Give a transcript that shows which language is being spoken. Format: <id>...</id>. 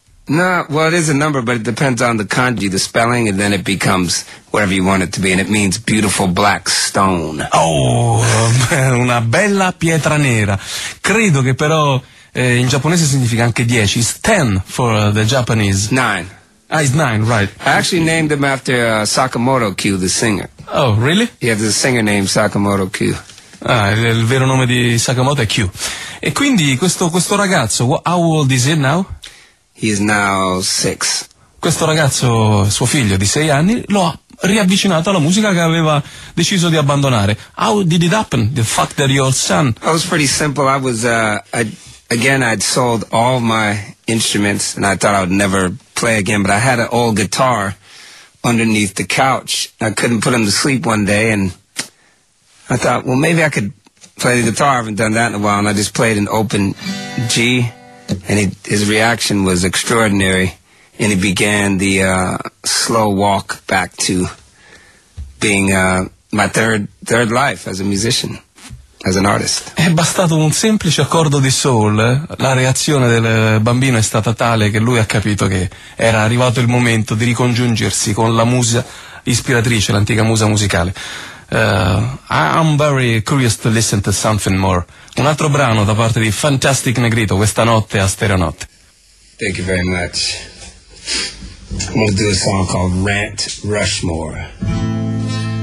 <en>No, well, it is a number, but it depends on the kanji, the spelling, and then it becomes whatever you want it to be, and it means beautiful black stone.</en> <it>Oh, una bella pietra nera. Credo che però in giapponese significa anche 10.</it> <en>It's 10 for the Japanese. 9. Ah, he's 9, right. I actually named him after Sakamoto Q, the singer. Oh, really? Yeah, there's a singer named Sakamoto Q.</en> <it>Ah, il vero nome di Sakamoto è Q. E quindi questo ragazzo,</it> <en>how old is he now? He is now 6.</en> <it>Questo ragazzo, suo figlio di 6 anni, lo ha riavvicinato alla musica che aveva deciso di abbandonare.</it> <en>How did it happen, the fact that your son... It was pretty simple. I was, I'd sold all my instruments, and I thought I would never play again, but I had an old guitar underneath the couch. I couldn't put him to sleep one day, and I thought, well, maybe I could play the guitar. I haven't done that in a while, and I just played an open G. And his reaction was extraordinary, and he began the slow walk back to being my third life as a musician, as an artist.</en> <it>È bastato un semplice accordo di soul, la reazione del bambino è stata tale che lui ha capito che era arrivato il momento di ricongiungersi con la musa ispiratrice, l'antica musa musicale.</it> <en>I'm very curious to listen to something more.</en> <it>Un altro brano da parte di Fantastic Negrito, questa notte a Stereonotte.</it> <en>Thank you very much. I'm gonna do a song called Rant Rushmore.</en>